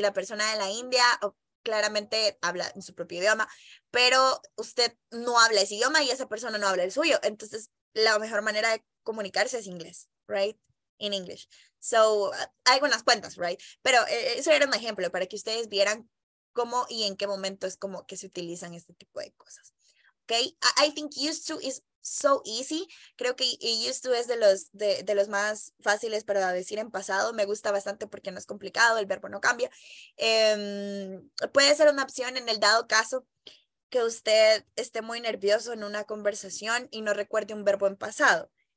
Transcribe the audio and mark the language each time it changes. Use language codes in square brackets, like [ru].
[es] Y la persona de la India claramente habla en su propio idioma, pero usted no habla ese idioma y esa persona no habla el suyo, entonces la mejor manera de comunicarse es inglés, right? In English. So, hay unas cuantas, right? Pero eso era un ejemplo para que ustedes vieran cómo y en qué momento es como que se utilizan este tipo de cosas. [en] Okay, I think used to is so easy. [es] Creo que used to es de los más fáciles para decir en pasado. Me gusta bastante porque no es complicado, el verbo no cambia. Puede ser una opción en el dado caso que usted esté muy nervioso en una conversación y no recuerde un verbo en pasado.